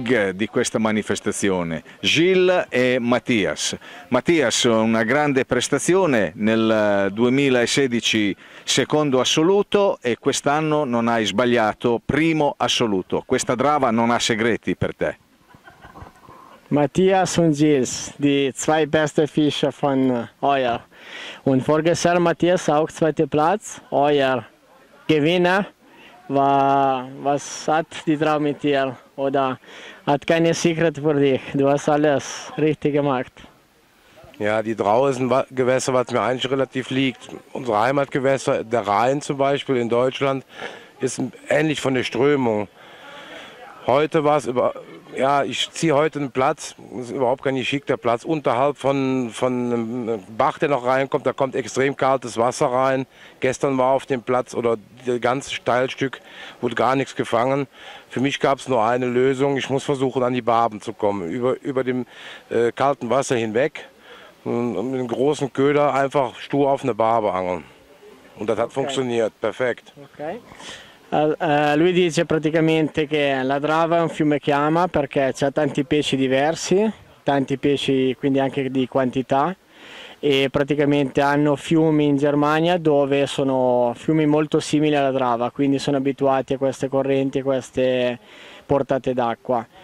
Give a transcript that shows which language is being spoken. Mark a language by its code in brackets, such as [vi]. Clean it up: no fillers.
[it] Di questa manifestazione, Gilles e Mattias. Mattias, una grande prestazione nel 2016, secondo assoluto, e quest'anno non hai sbagliato, primo assoluto. Questa drava non ha segreti per te. [de] Mattias und Gilles, die zwei beste Fischer von Euer. Und vorgestern Mattias auch zweiter Platz, Euer Gewinner. Was hat die Drau mit dir? Oder hat keine Secret für dich? Du hast alles richtig gemacht. Ja, die Drau ist ein Gewässer, was mir eigentlich relativ liegt. Unsere Heimatgewässer, der Rhein zum Beispiel in Deutschland, ist ähnlich von der Strömung. Heute war es über. Ja, ich ziehe heute einen Platz, das ist überhaupt kein geschickter Platz, unterhalb von einem Bach, der noch reinkommt, da kommt extrem kaltes Wasser rein. Gestern war auf dem Platz oder das ganze Steilstück wurde gar nichts gefangen. Für mich gab es nur eine Lösung, ich muss versuchen, an die Barben zu kommen, über dem kalten Wasser hinweg und mit einem großen Köder einfach stur auf eine Barbe angeln. Und das hat funktioniert, perfekt. Okay. [it] Lui dice praticamente che la Drava è un fiume che ama perché c'ha tanti pesci diversi, tanti pesci quindi anche di quantità, e praticamente hanno fiumi in Germania dove sono fiumi molto simili alla Drava, quindi sono abituati a queste correnti, a queste portate d'acqua.